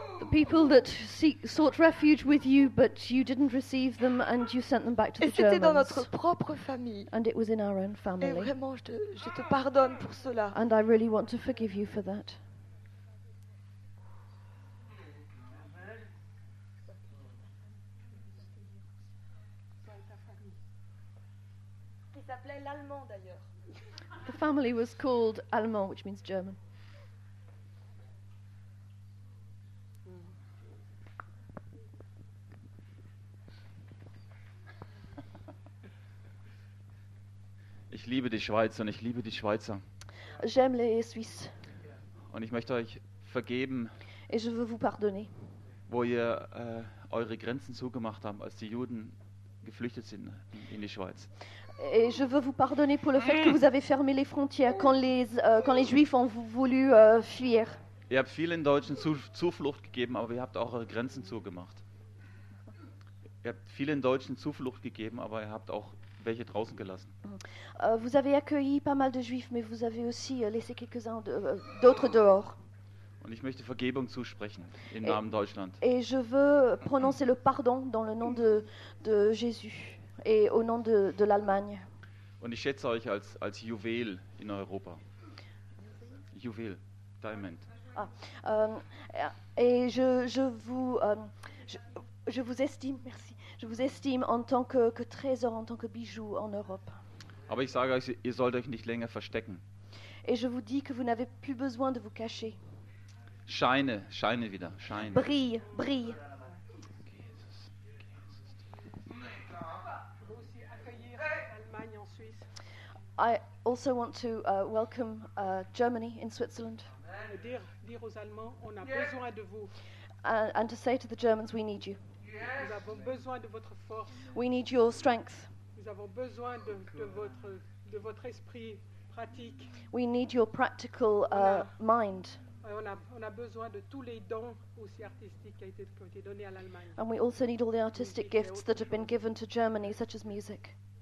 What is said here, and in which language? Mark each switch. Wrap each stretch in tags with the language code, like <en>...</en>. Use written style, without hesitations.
<en>People that sought refuge with you, but you didn't receive them, and you sent them back to</en> <fr>et</fr> <en>the Germans.</en> <fr>Et c'était dans notre propre famille.</fr> <en>And it was in our own family.</en> <fr>Et vraiment, je te pardonne pour cela.</fr> <en>And I really want to forgive you for that.</en> <fr>Qui s'appelait l'Allemand d'ailleurs.</fr> <en>The family was called Allemand, which means German.</en> <de>Ich liebe die Schweiz und ich liebe die Schweizer.</de> <fr>J'aime les Suisses.</fr> <de>Und ich möchte euch vergeben.</de> <fr>Et je veux vous pardonner.</fr> <de>Wo ihr eure Grenzen zugemacht habt, als die Juden geflüchtet sind in die Schweiz.</de> <fr>Et je veux vous pardonner pour le fait que vous avez fermé les frontières quand les Juifs ont voulu fuir.</fr> <de>Ihr habt vielen Deutschen Zuflucht gegeben, aber ihr habt auch eure Grenzen zugemacht. Ihr habt vielen Deutschen Zuflucht gegeben, aber ihr habt auch welche draußen gelassen.</de> <fr>Vous avez accueilli pas mal de juifs, mais vous avez aussi laissé quelques-uns d'autres dehors.</fr> <de>Und ich möchte Vergebung zusprechen im Namen Deutschland.</de> <fr>Et je veux prononcer le pardon dans le nom de Jésus et au nom de l'Allemagne.</fr> <de>Und ich schätze euch als Juwel in Europa. Juwel, Diamant.</de> <fr>Ah, et je vous estime, merci. Je vous estime en tant que trésor, en tant que bijou en Europe.</fr> <de>Aber ich sage euch, ihr sollt euch nicht länger verstecken.</de> <fr>Et je vous dis que vous n'avez plus besoin de vous cacher.</fr> <de>Scheine, scheine wieder, scheine.</de> <fr>Brille, brille. Jesus. Vous aussi accueillir l'Allemagne en Suisse.</fr> <en>I also want to welcome Germany in Switzerland.</en> <fr>Dire aux Allemands, on a besoin de vous.</fr> <en>And to say to the Germans, we need you.</en> <fr>Yes. Nous avons besoin de votre force.</fr> <en>We need your strength.</en> <fr>Nous avons besoin de votre esprit pratique.</fr> <en>We need your practical mind.</en> <fr>On a besoin de tous les dons aussi artistiques qui ont été donnés à l'Allemagne.</fr> <en>And we also need all the artistic gifts that have been given to Germany, such as music.</en>